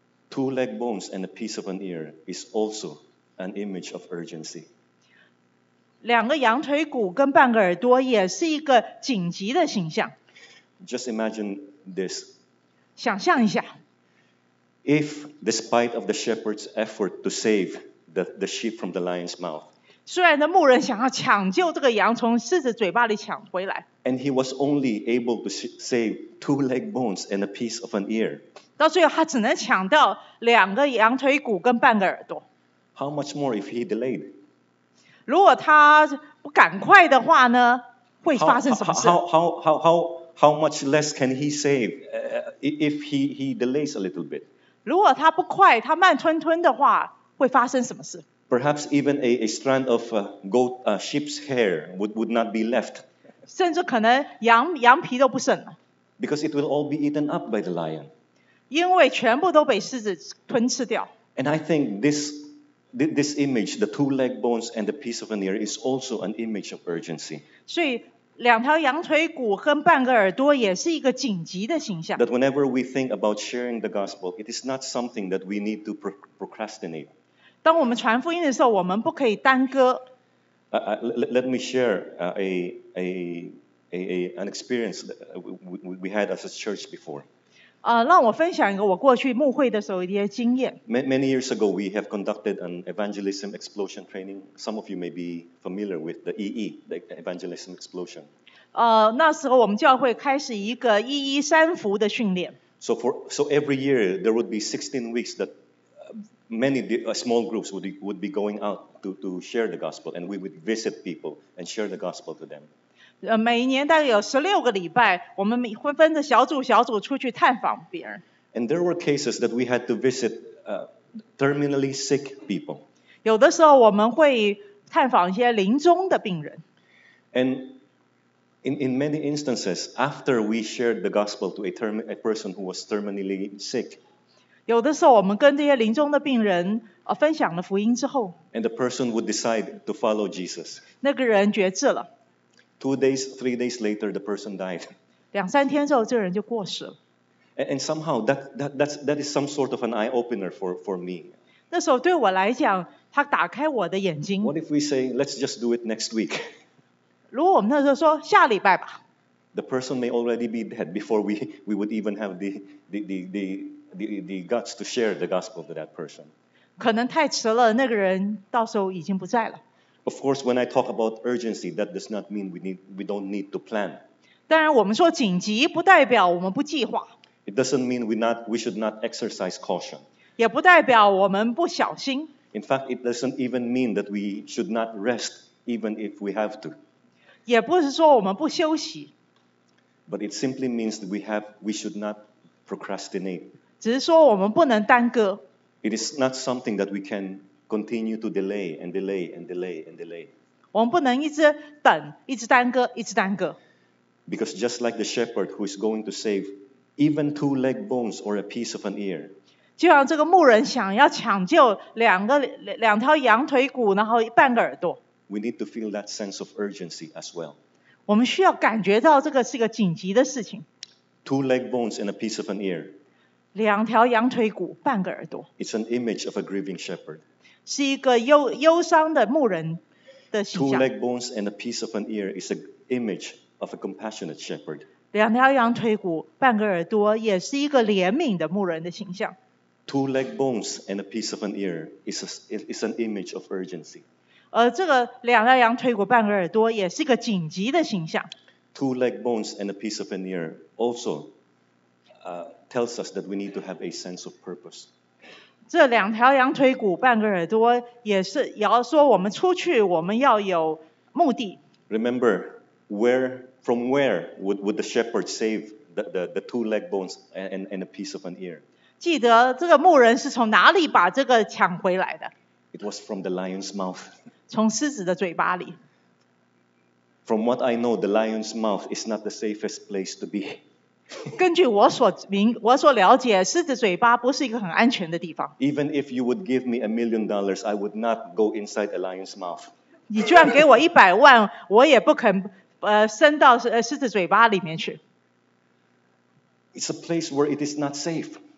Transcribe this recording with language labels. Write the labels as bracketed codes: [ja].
[en] Two leg bones and a piece of an ear is also an image of urgency. [zh] 两个羊腿骨跟半个耳朵也是一个紧急的形象。 [en] Just imagine this. [zh] 想象一下。 [en] If, despite of the shepherd's effort to save the sheep from the lion's mouth, [zh] 虽然那牧人想要抢救这个羊从狮子嘴巴里抢回来。 [en] And he was only able to save two leg bones and a piece of an ear. [zh] 到最后他只能抢到两个羊腿骨跟半个耳朵。 [en] How much more if he delayed? [zh] 如果他不赶快的话呢，会发生什么事？ [en] How how much less can he save if he delays a little bit? [zh] 如果他不快，他慢吞吞的话，会发生什么事？ [en] Perhaps even a strand of sheep's hair would not be left. [zh] 甚至可能羊皮都不剩了。 [en] Because it will all be eaten up by the lion. [zh] 因为全部都被狮子吞吃掉。 [en] And I think this image, the two leg bones and the piece of an ear, is also an image of urgency. [zh] 所以两条羊腿骨跟半个耳朵也是一个紧急的形象。 [en] That whenever we think about sharing the gospel, it is not something that we need to procrastinate. [zh] 当我们传福音的时候，我们不可以耽搁。 [en] Let me share an experience that we had as a church before. [zh] 让我分享一个我过去牧会的时候的一些经验。 [en] Many years ago, we have conducted an evangelism explosion training. Some of you may be familiar with the EE, the evangelism explosion. [zh] 那时候我们教会开始一个EE三福的训练。 [en] So every year, there would be 16 weeks that many small groups would be going out to share the gospel, and we would visit people and share the gospel to them. [zh] 每年大概有16个礼拜，我们会分着小组出去探访别人。 [en] And there were cases that we had to visit terminally sick people. [zh] 有的时候我们会探访一些临终的病人。 [en] And in many instances, after we shared the gospel to a person who was terminally sick, [zh] 有的时候我们跟这些临终的病人分享了福音之后， [en] And the person would decide to follow Jesus. [zh] 那个人决志了。 [en] 2 days, 3 days later, the person died. [zh] 两三天之后，这个人就过世了。 [en] And somehow that is some sort of an eye opener for me. [zh] 那时候对我来讲，他打开我的眼睛。 [en] What if we say, let's just do it next week? [zh] 如果我们那时候说下礼拜吧。 [en] The person may already be dead before we would even have the guts to share the gospel to that person. [zh] 可能太迟了，那个人到时候已经不在了。 [en] Of course, when I talk about urgency, that does not mean we don't need to plan. [zh] 当然我们说紧急不代表我们不计划。 [en] It doesn't mean we should not exercise caution. [zh] 也不代表我们不小心。 [en] In fact, it doesn't even mean that we should not rest, even if we have to. [zh] 也不是说我们不休息。 [en] But it simply means that we should not procrastinate. [zh] 只是说我们不能耽搁。 [en] It is not something that we can continue to delay and delay and delay and delay. [zh] 我们不能一直等，一直耽搁，一直耽搁。 [en] Because just like the shepherd who is going to save even two leg bones or a piece of an ear. [zh] 就像这个牧人想要抢救两条羊腿骨，然后半个耳朵。 [en] We need to feel that sense of urgency as well. [zh] 我们需要感觉到这个是一个紧急的事情。 [en] Two leg bones and a piece of an ear. [zh] 两条羊腿骨，半个耳朵。 [en] It's an image of a grieving shepherd. [zh] 是一个忧伤的牧人的形象。 [en] Two leg bones and a piece of an ear is an image of a compassionate shepherd. [zh] 两条羊腿骨，半个耳朵，也是一个怜悯的牧人的形象。 [en] Two leg bones and a piece of an ear is an image of urgency. [zh] 这个两条羊腿骨，半个耳朵，也是一个紧急的形象。 [en] Two leg bones and a piece of an ear also tells us that we need to have a sense of purpose. [zh] 这两条羊腿骨半个耳朵也是要说我们出去我们要有目的。 [en] Remember, from where would the shepherd save the two leg bones and a piece of an ear? [zh] 记得这个牧人是从哪里把这个抢回来的？ [en] It was from the lion's mouth. [zh] 从狮子的嘴巴里。 [en] From what I know, the lion's mouth is not the safest place to be. [zh] 根据我所了解，狮子嘴巴不是一个很安全的地方。 [en] Even if you would give me $1 million, I would not go inside a lion's mouth. [zh] 你居然给我100万，我也不肯伸到狮子嘴巴里面去。 [en] It's a place where it is not safe.